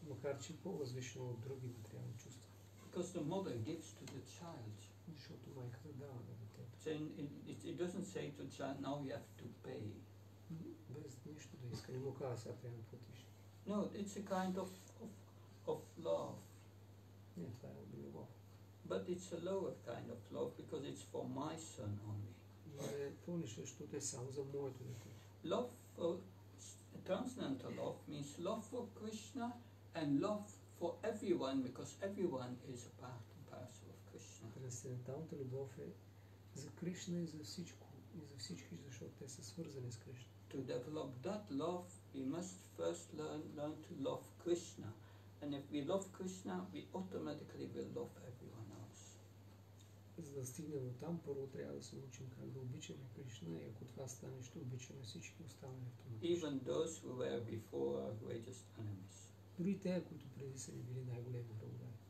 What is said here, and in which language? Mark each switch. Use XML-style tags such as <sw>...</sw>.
<bg>Макар че по-възвишено от други материални чувства.</bg> <en>Because the mother gives to the child.</en> <bg>Защото майката дава на детето.</bg> <en>Then it doesn't say to the child, now you have to pay.</en> <bg>Без нищо да иска, не му казва, сега трябва да платиш.</bg> <en>No, it's a kind of love.</en> <bg>Не, това е любов.</bg> <en>But it's a lower kind of love, because it's for my son only.</en> <bg>Защото е само за моето дете.</bg> <en>Love for, transcendental love means love for Krishna and love for everyone, because everyone is a part and parcel of Krishna.</en> <bg>Трансценденталната любов е за Кришна и за всичко, и за всички, защото те са свързани с Кришна.</bg> <en>To develop that love, we must first learn to love Krishna. And if we love Krishna, we automatically will love everyone else.</en> <bg>За да стигнем до там, първо трябва да се научим как да обичаме Кришна, и ако това стане, ще обичаме всички останали автоматично.</bg> <en>Even those who were before our greatest enemies.</en> <bg>Дори те, които преди са ни били най-големи врагове.</bg>